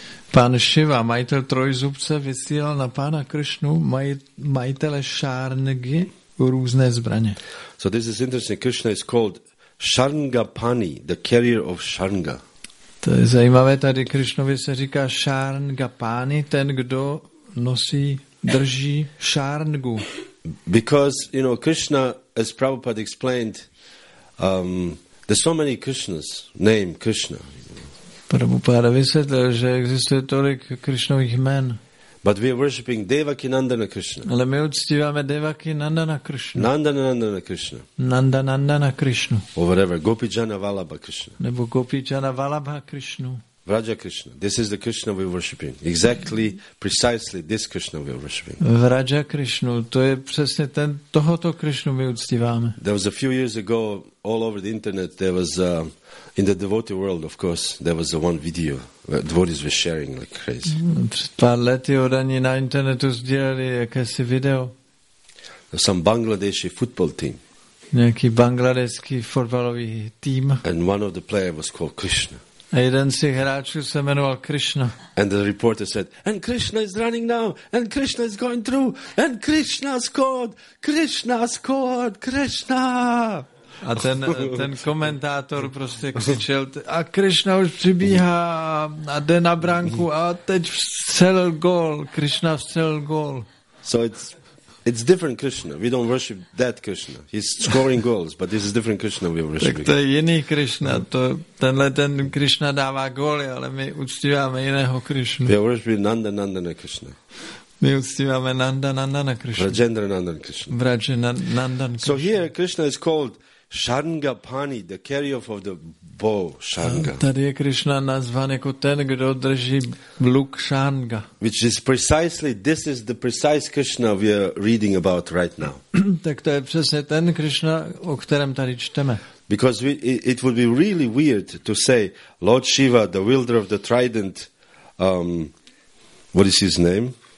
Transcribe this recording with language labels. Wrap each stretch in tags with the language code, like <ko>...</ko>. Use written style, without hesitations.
<cs>Pán Shiva, majitel trojzubce, vysílal na pána Krishnu, majitele Sharngi, různé zbraně.</cs> <en>So this is interesting. Krishna is called Sharngapani, the carrier of Sharnga.</en> <cs>To je zajímavé, tady Krishnovi se říká Sharngapani, ten, kdo nosí, drží Sharngu.</cs> <en>Because, you know, Krishna, as Prabhupada explained, there's so many Krishnas, name Krishna.</en> <cs>Prabhupada vysvětlil, že existuje tolik Krishnových jmen.</cs> <en>But we are worshipping Devaki Nandana Krishna.</en> <cs>Ale my uctíváme Devaki Nandana Krishna.</cs> <en>Nandana Nandana Krishna.</en> <cs>Nandana Nandana Krishna.</cs> <en>Or whatever, Gopijana Vallabha Krishna.</en> <cs>Nebo Gopijana Vallabha Krishna.</cs> <en>Vraja Krishna. This is the Krishna we are worshipping. Exactly, precisely this Krishna we are worshipping.</en> <cs>Vraja Krishna. To je přesně ten, tohoto Krishna my uctíváme.</cs> <en>There was a few years ago, all over the internet, there was in the devotee world, of course, there was the one video where devotees were sharing like crazy.</en> <cs>Pár lety od ani na internetu sdíleli jakési video.</cs> <en>Some Bangladeshi football team.</en> <cs>Nějaký bangladeský fotbalový tým.</cs> <en>And one of the players was called Krishna.</en> <cs>A jeden z těch hráčů se jmenoval Krishna.</cs> <en>And the reporter said, and Krishna is running now, and Krishna is going through, and Krishna scored, Krishna scored, Krishna!</en> <cs>A ten komentátor prostě křičel, a Krishna už přibíhá a jde na branku a teď vstřelil gól. Krishna vstřelil gól.</cs> <en>So it's different Krishna. We don't worship that Krishna. He's scoring goals, but this is different Krishna we worship.</en> <cs>Tak to je jiný Krishna. To, tenhle ten Krishna dává góly, ale my uctíváme jiného Krishna.</cs> <en>We worship Nanda Nandana Krishna.</en> <cs>My uctíváme Nanda Nandana Krishna.</cs> <en>Vrajendra Nandan Krishna.</en> <cs>Vrajendra Nandan Krishna.</cs> <en>So here Krishna is called Sharngapani, the carrier of the bow, Sharnga.</en> <cs>Tady je Krishna nazván jako ten, kdo drží luk Sharnga.</cs> <en>Which is precisely, this is the precise Krishna we are reading about right now.</en> <cs>Tak to je přesně ten Krishna, o kterém tady čteme.</cs> <en>Because it would be really weird to say, Lord Shiva, the wielder of the trident, what is his name?</en>